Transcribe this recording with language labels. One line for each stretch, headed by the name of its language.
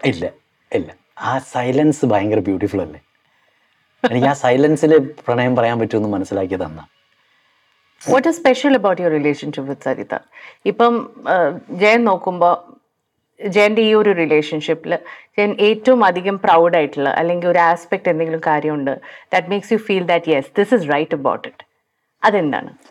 Malayalam: ഇല്ല ഇല്ല, ആ സൈലൻസ് ഭയങ്കര ബ്യൂട്ടിഫുൾ അല്ലേ. എനിക്ക് ആ സൈലൻസിൽ പ്രണയം പറയാൻ പറ്റുമെന്ന് മനസ്സിലാക്കിയതന്ന.
English: What is special about your relationship with Sarita?
Malayalam: ഇപ്പം ജയൻ നോക്കുമ്പോൾ ജയൻ്റെ ഈ ഒരു റിലേഷൻഷിപ്പിൽ ജയൻ ഏറ്റവും അധികം പ്രൗഡ് ആയിട്ടുള്ള അല്ലെങ്കിൽ ഒരു ആസ്പെക്ട് എന്തെങ്കിലും കാര്യമുണ്ട്
English: that makes you feel that yes this is right about it,
Malayalam: അതെന്താണ്?